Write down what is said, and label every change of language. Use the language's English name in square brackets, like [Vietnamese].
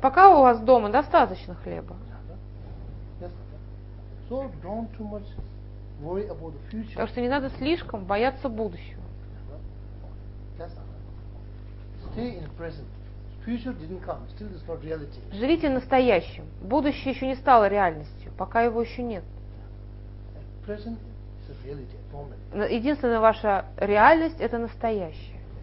[Russian] Пока у вас дома достаточно хлеба. [English] Yes. So don't too much worry about the future. [Russian] Так что не надо слишком бояться будущего. [English] Yes. Stay in present. Future didn't come, still it's not reality. [Russian] Живите настоящим. Будущее еще не стало реальностью, пока его еще нет. [English] At present is a reality, at moment. [Russian] Единственная ваша реальность – это настоящее.